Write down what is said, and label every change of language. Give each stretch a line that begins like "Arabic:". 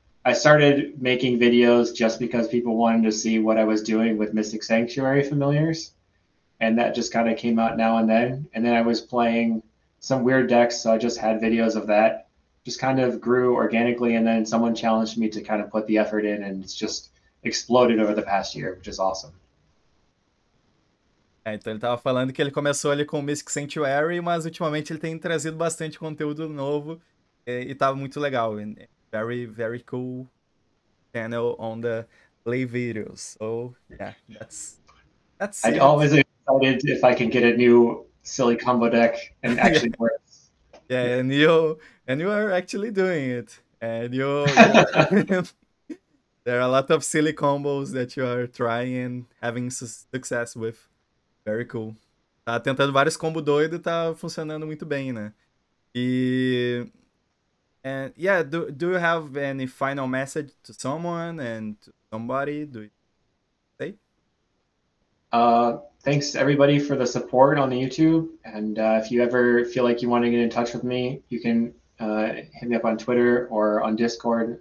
English: I started making videos just because people wanted to see what I was doing with Mystic Sanctuary Familiars. and that just kind of came out now and then. And then I was playing some weird decks, so I just had videos of that. Just kind of grew organically, and then someone challenged me to kind of put the effort in, and it's just exploded over the past year, which is awesome.
Portuguese: É, então ele tava falando que ele começou ali com o Mystic Sanctuary, mas ultimamente ele tem trazido bastante conteúdo novo e tava muito legal.
English: Very, very cool channel on the play videos. So, yeah, that's I'd always excited if I can get a new silly combo deck and actually work. Yeah, and you are actually doing it. And you're there are a lot of silly combos that you are trying and having success with. Very cool.
Portuguese: Tá tentando vários combos doidos e tá funcionando muito bem, né?
English: Do you have any final message to someone and to somebody? Do you say? Thanks everybody for the support on the YouTube. And if you ever feel like you want to get in touch with me, you can hit me up on Twitter or on Discord.